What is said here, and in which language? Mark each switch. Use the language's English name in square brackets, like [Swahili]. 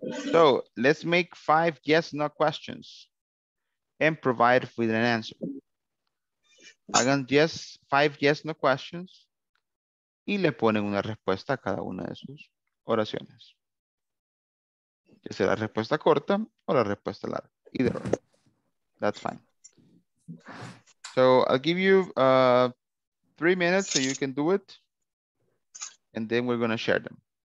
[English] So let's make 5 yes, no questions and provide with an answer. [Spanish] Hagan 5 [English] yes, no questions [Spanish] y le ponen una respuesta a cada una de sus oraciones. Ya sea la respuesta corta o la respuesta larga. [English] Either way. That's fine. So I'll give you 3 minutes so you can do it. And then we're going to share them.